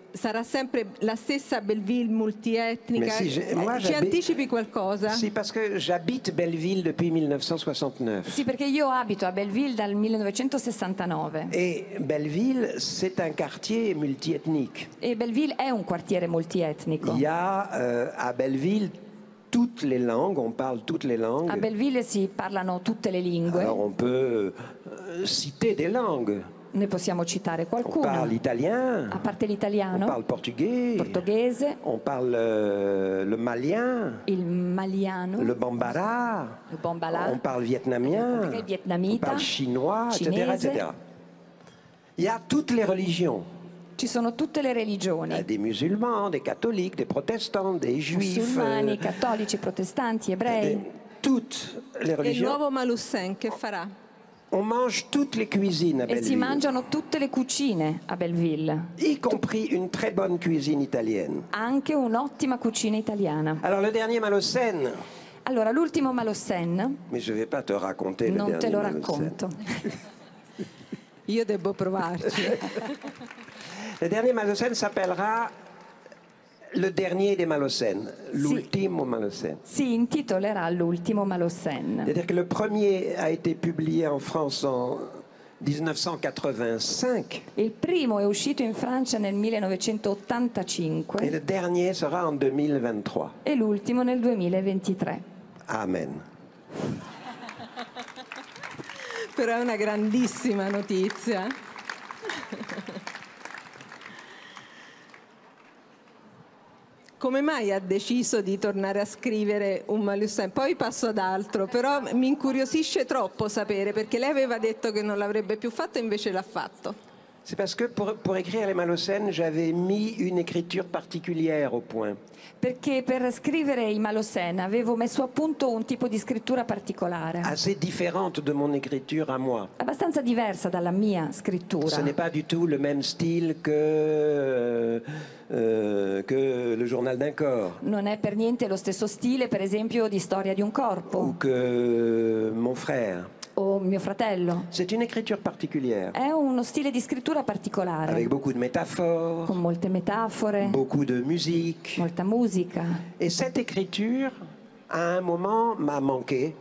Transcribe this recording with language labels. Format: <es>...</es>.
<it>sarà sempre la stessa Belleville multietnica? Si, ci anticipi qualcosa? Sì, perché</it> <fr>j'habite Belleville depuis 1969.</fr> <it>Sì, perché io abito a Belleville dal 1969.</it> <fr>E Belleville c'est un quartier multietnico.</fr> <it>E Belleville è un quartiere multietnico.</it> <fr>Il y a à Belleville toutes les langues, on parle toutes les langues.</fr> <it>A Belleville si parlano tutte le lingue.</it> <fr>Alors on peut citer des langues.</fr> <it>Ne possiamo citare qualcuno.</it> <fr>On parle italien.</fr> <it>A parte l'italiano.</it> <fr>On parle portugais.</fr> <it>Portoghese.</it> <fr>On parle le malien.</fr> <it>Il maliano.</it> <fr>Le bambara. Le bambala. On parle vietnamien.</fr> <it>Il vietnamita.</it> <fr>On parle chinois,</fr> <it>cinese.</it> <fr>Etc. etc. Il y a toutes les religions.</fr> <it>Ci sono tutte le religioni.</it> <fr>Des musulmans, des catholiques, des protestants, des juifs.</fr> <it>Musulmani, cattolici, protestanti, ebrei.</it> <fr>Toutes les religions.</fr> <it>Il nuovo Malussen che farà?</it> <fr>On mange toutes les cuisines à Belleville.</fr> <it>E si mangiano tutte le cucine a Belleville.</it> <fr>Y compris une très bonne cuisine italienne.</fr> <it>Anche un'ottima cucina italiana.</it> <fr>Alors le dernier Malussen.</fr> <it>Allora l'ultimo Malussen.</it> <fr>Mais je vais pas te raconter le</fr> <it>non</it> <fr>dernier</fr> <it>te lo racconto. Io devo provarci.</it> <fr>Le dernier Malussen s'appellera le dernier des Malussen,</fr> <it>l'ultimo si. Malussen. Si intitolerà l'ultimo Malussen.</it> <fr>C'est-à-dire que le premier a été publié en France en 1985.</fr> <it>Il primo è uscito in Francia nel 1985.</it> <fr>Et le dernier sera en 2023.</fr> <it>E l'ultimo nel 2023.</it> <fr>Amen.</fr> <it>Però è una grandissima notizia. Come mai ha deciso di tornare a scrivere un Malussen? Poi passo ad altro, però mi incuriosisce troppo sapere, perché lei aveva detto che non l'avrebbe più fatto e invece l'ha fatto.</it> <fr>C'est parce que pour écrire les Malussen, j'avais mis une écriture particulière au point.</fr> <it>Perché per scrivere i Malussen avevo messo a punto un tipo di scrittura particolare.</it> <fr>Assez différente de mon écriture à moi.</fr> <it>Abbastanza diversa dalla mia scrittura.</it> <fr>Ce n'est pas du tout le même style que le journal d'un corps.</fr> <it>Non è per niente lo stesso stile, per esempio, di Storia di un corpo.</it> <fr>Ou que mon frère.</fr> <it>O mio fratello.</it> <fr>C'est une écriture particulière.</fr> <it>È uno stile di scrittura particolare.</it> <fr>Avec beaucoup de métaphores.</fr> <it>Con molte metafore.</it> <fr>Beaucoup de musique.</fr> <it>Molta musica.</it> <fr>Et cette écriture, à un moment, m'a manqué.</fr>